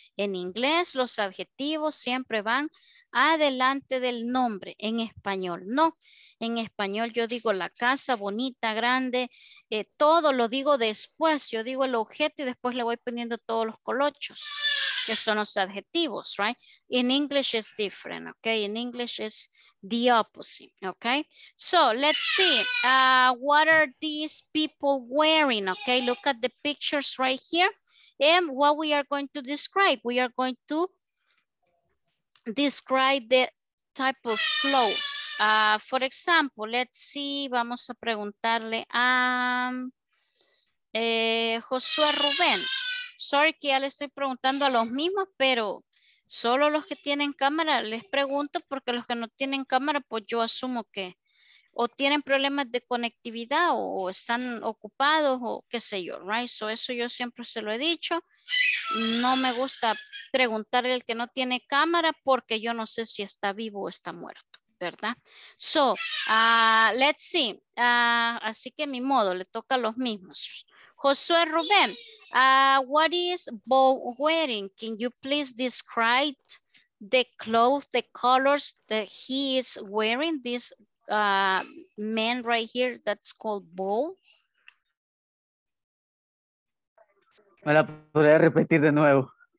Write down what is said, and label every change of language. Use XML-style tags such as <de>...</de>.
<es>En inglés los adjetivos siempre van adelante del nombre, en español no. En español yo digo la casa bonita, grande, todo lo digo después. Yo digo el objeto y después le voy poniendo todos los colochos, que son los adjetivos, right?</es> <en>In English is different, okay? In English is the opposite, okay? So let's see, what are these people wearing, okay? Look at the pictures right here. And what we are going to describe, we are going to describe the type of clothes. For example, let's see,</en> <es>vamos a preguntarle a</es> <en>Josué Rubén.</en> <es>Sorry que ya le estoy preguntando a los mismos, pero solo los que tienen cámara les pregunto, porque los que no tienen cámara, pues yo asumo que o tienen problemas de conectividad o están ocupados o qué sé yo, right? So eso yo siempre se lo he dicho. No me gusta preguntarle al que no tiene cámara porque yo no sé si está vivo o está muerto, ¿verdad?</es> <en>So, let's see.</en> <es>Así que mi modo, le toca a los mismos.</es> <en>Josué Rubén, what is Bo wearing? Can you please describe the clothes, the colors that he is wearing, this man right here that's called Bo.</en> <es>¿Me la podría repetir de nuevo?</es>